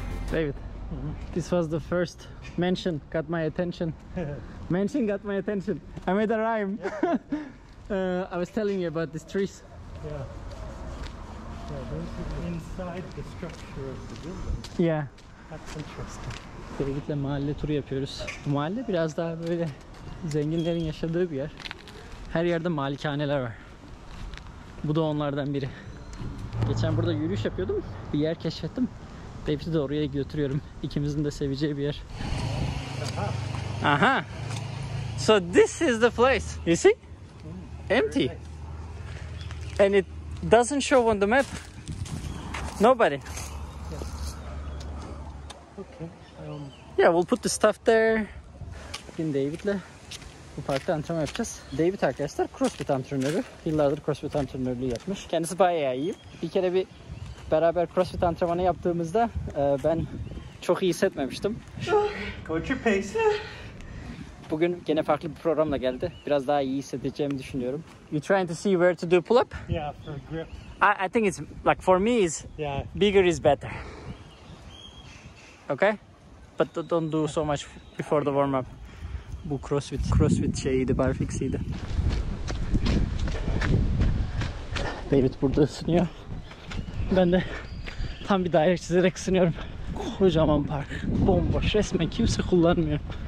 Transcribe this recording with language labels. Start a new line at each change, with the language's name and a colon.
English: David, this was the first mention got my attention. Mention got my attention. I made a rhyme. I was telling you about these trees. Yeah. Yeah, those are inside the structure of the building. Yeah. That's interesting.
Turkish: David'le mahalle turu yapıyoruz. Mahalle biraz daha böyle zenginlerin yaşadığı bir yer. Her yerde malikaneler var. Bu da onlardan biri. Geçen burada yürüyüş yapıyordum. Bir yer keşfettim. Hepsi de oraya götürüyorum. ikimizin de seveceği bir yer.
English: Aha. So this is the place. You see? Empty. And it doesn't show on the map. Nobody. Okay. Yeah, we'll put the stuff there.
Turkish: Bugün David'le bu parkta antrenman yapacağız. David arkadaşlar CrossFit antrenörü. Yıllardır CrossFit antrenörlüğü yapmış. Kendisi bayağı iyi. Bir kere bir beraber CrossFit antrenmanı yaptığımızda ben çok iyi hissetmemiştim. Koçu Pace. Bugün gene farklı bir programla geldi. Biraz daha iyi hissedeceğimi düşünüyorum.
English: You trying to see where to do pull-up? Yeah, for grip. I think it's like for me is yeah. Bigger is better. Okay? But don't do so much before the warm-up.
Turkish: Bu CrossFit şeyiydi, barfix'iydi. David burada ısınıyor. Ben de tam bir daire çizerek ısınıyorum. Kocaman park. Bomboş. Resmen kimse kullanmıyor.